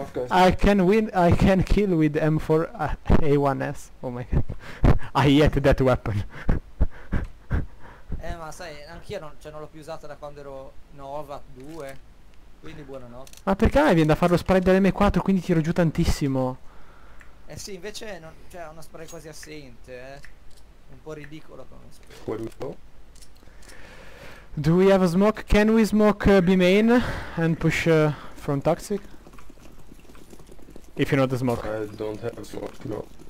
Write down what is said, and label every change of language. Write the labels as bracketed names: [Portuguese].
[English] I can win, I can kill with M4 A1S. Oh my god. I hate that weapon. [Italian] Ma sai, anch'io non, cioè non l'ho più usata da quando ero Nova 2. Quindi buonanotte. Ma perché mi viene da fare lo spray dell'M4, quindi tiro giù tantissimo? Eh sì, invece non, cioè è uno spray quasi assente, eh. Un po' ridicolo come spray. [English] Do we have a smoke? Can we smoke B main and push from toxic? If you know the smoke. I don't have a smoke, no.